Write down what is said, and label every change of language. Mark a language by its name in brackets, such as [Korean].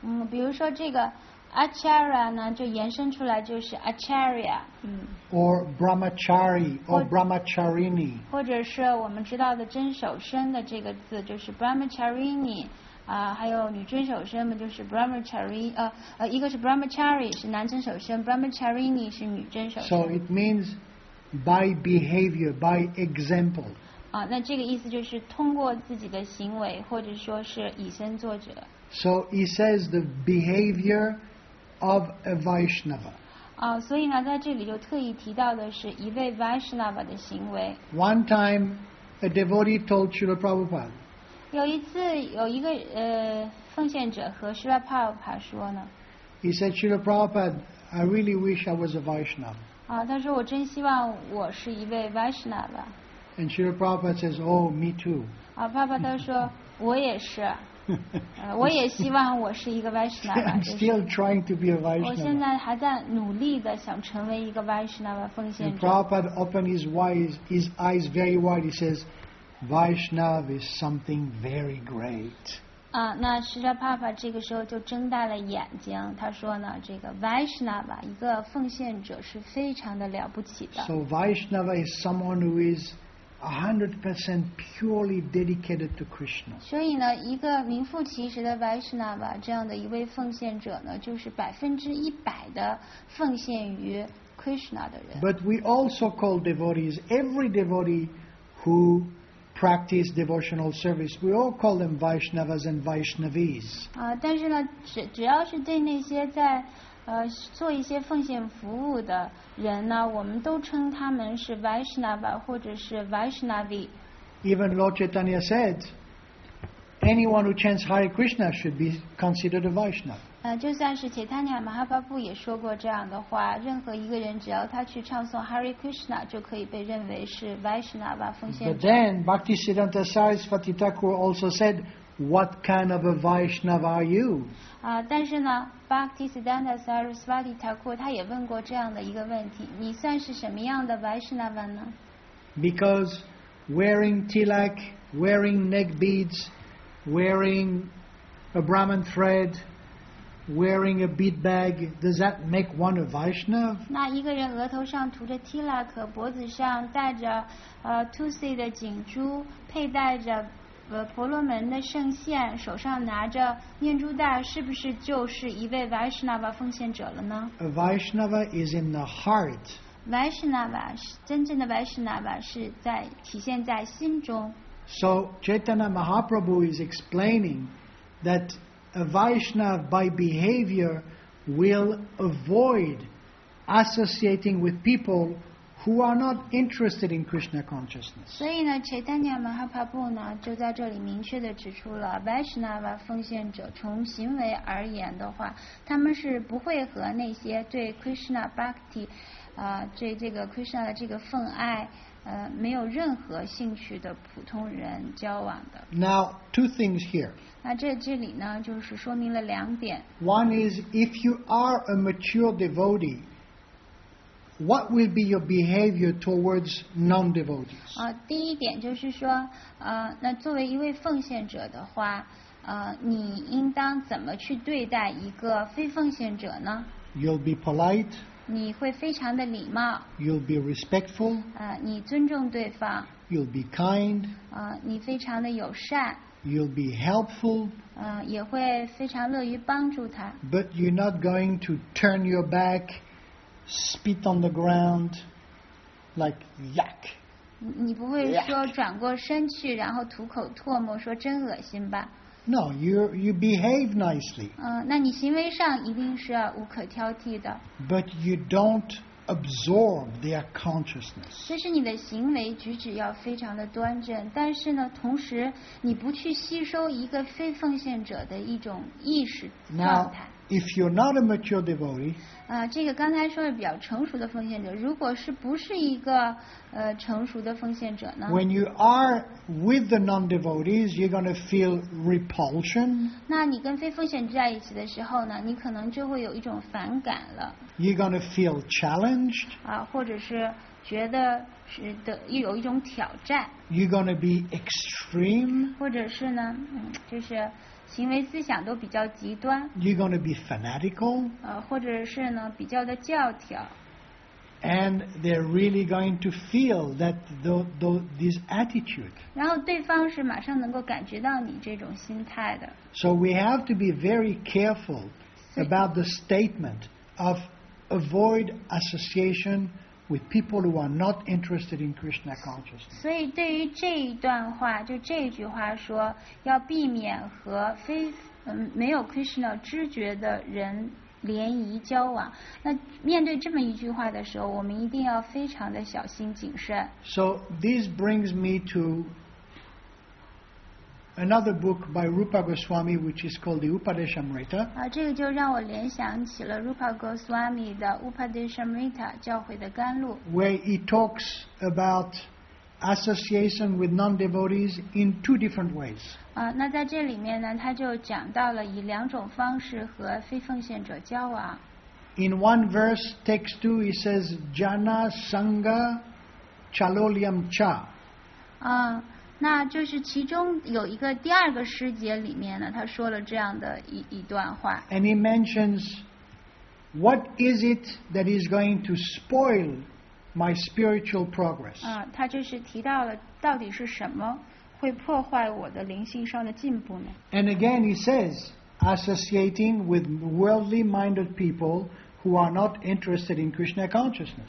[Chinese] 比如说这个 achara 呢，就延伸出来就是 acharya。 [English] Or brahmachari or brahmacharini。 [Chinese] 或者是我们知道的真守身的这个字，就是 brahmacharini。还有女真守身嘛，就是 brahmachari， 一个是 brahmachari 是男真守身 ，brahmacharini 是女真守身。 [English] So it means by behavior, by example。 [Chinese] 那这个意思就是通过自己的行为，或者说是以身作则。 [English] So he says the behavior of a Vaishnava。 [Chinese] 所以呢，在这里就特意提到的是一位 Vaishnava 的行为。 [English] One time, a devotee told Srila Prabhupada。 [Chinese] 有一次有一个奉献者和 Srila Prabhupada 说呢 [English] He said, Srila Prabhupada, I really wish I was a Vaishnava. [Chinese] 但是我真希望我是一位 Vaishnava。 [English] And Srila Prabhupada says, "Oh, me too." [Chinese] 啊，爸爸他说我也是，我也希望我是一个 Vaishnava。 [English] I'm still trying to be a Vaishnava. [Chinese] 我现在还在努力的想成为一个 Vaishnava 奉献者。 [English] And Prabhupada opened his eyes very wide. He says, "Vaishnava is something very great." [Chinese] 啊，那Srila Prabhupada这个时候就睁大了眼睛，他说呢，这个 Vaishnava 一个奉献者是非常的了不起的。 [English] So Vaishnava is someone who is 100% purely dedicated to Krishna. [Chinese] 所以呢，一个名副其实的 Vaishnava 这样的一位奉献者呢，就是100%的奉献于 Krishna 的人。 [English] But we also call devotees every devotee who practice devotional service. We all call them Vaishnavas and Vaishnavis. [Chinese] 啊，但是呢，只要是对那些在做一些奉献服务的人呢，我们都称他们是 Vaishnava 或者是 Vaishnavi。 [English] Even Lord Chaitanya said, anyone who chants Hare Krishna should be considered a Vaishnava. [Chinese] 就算是 Chaitanya Mahaprabhu 也说过这样的话，任何一个人只要他去唱诵 Hare Krishna 就可以被认为是 Vaishnava 奉献。 [English] But then Bhaktisiddhanta Sarasvati Thakur also said,What kind of a Vaishnava are you? [Chinese] 但是呢 ，Bhaktisiddhanta Sarasvati Thakur 他也问过这样的一个问题：你算是什么样的 Vaishnava 呢 [English] ？Because wearing tilak, wearing neck beads, wearing a Brahman thread, wearing a bead bag, does that make one a Vaishnava? [Chinese] 那一个人额头上涂着 tilak， 脖子上戴着tulsi 的锦珠，佩戴着。婆罗门的圣线手上拿着念珠袋是不是就是一位 Vaishnava 奉献者了呢 [English] A Vaishnava is in the heart [Chinese] Vaishnava 真正的 Vaishnava 是在体现在心中 [English] So Chaitanya Mahaprabhu is explaining that a Vaishnava by behavior will avoid associating with peopleWho are not interested in Krishna consciousness? [Chinese] 所以呢 ，Chaitanya Mahaprabhu 呢就在这里明确的指出了 ，Vaishnava 奉献者从行为而言的话，他们是不会和那些对 Krishna bhakti， 对这个 Krishna 的这个奉爱，没有任何兴趣的普通人交往的。 [English] Now two things here. [Chinese] 那这里呢，就是说明了两点。 [English] One is if you are a mature devotee. What will be your behavior towards non-devotees? [Chinese] 第一点就是说，那作为一位奉献者的话，你应当怎么去对待一个非奉献者呢 [English] ？You'll be polite. [Chinese] 你会非常的礼貌。 [English] You'll be respectful. [Chinese] 你尊重对方。 [English] You'll be kind. [Chinese] 你非常的友善。 [English] You'll be helpful. [Chinese] 也会非常乐于帮助他。 [English] But you're not going to turn your back. Spit on the ground, like yuck. [Chinese] 你不会说转过身去，然后吐口唾沫，说真恶心吧 [English] ？No, you behave nicely. [Chinese] 那你行为上一定是无可挑剔的。 [English] But you don't absorb their consciousness. [Chinese] 这是你的行为举止要非常的端正，但是呢，同时你不去吸收一个非奉献者的一种意识状态。 [English] Now,If you're not a mature devotee, [Chinese] 这个刚才说的比较成熟的奉献者，如果是不是一个成熟的奉献者呢 [English] ？When you are with the non-devotees, you're going to feel repulsion. [Chinese] 那你跟非奉献者在一起的时候呢，你可能就会有一种反感了。 [English] You're going to feel challenged. [Chinese] 或者是觉得是的有一种挑战。 [English] You're going to be extreme. [Chinese] 或者是呢，就是。行为思想都比较极端 [English] You're going to be fanatical [Chinese] 或者是呢比较的教条 [English] And they're really going to feel that this attitude [Chinese] 然后对方是马上能够感觉到你这种心态的 [English] So we have to be very careful about the statement of avoid associationwith people who are not interested in Krishna consciousness. [Chinese] 所以对于这一段话，就这一句话说，要避免和非没有 Krishna 知觉的人联谊交往。那面对这么一句话的时候，我们一定要非常的小心谨慎。 [English] So this brings me to another book by Rupa Goswami, which is called the Upadeshamrita. [Chinese] 这个就让我联想起了 Rupa Goswami 的 Upadeshamrita 教诲的甘露 [English] where he talks about association with non-devotees in two different ways. [Chinese] 那在这里面呢，他就讲到了以两种方式和非奉献者交往。 [English] In one verse, text 2, he says, [Sanskrit] Jana Sangha Chaloliam Cha. [Chinese] 那就是其中有一个第二个诗节里面呢，他说了这样的一段话。 [English] And he mentions, what is it that is going to spoil my spiritual progress? [Chinese] 他就是提到了到底是什么会破坏我的灵性上的进步呢？ [English] And again he says, associating with worldly minded people who are not interested in Krishna consciousness.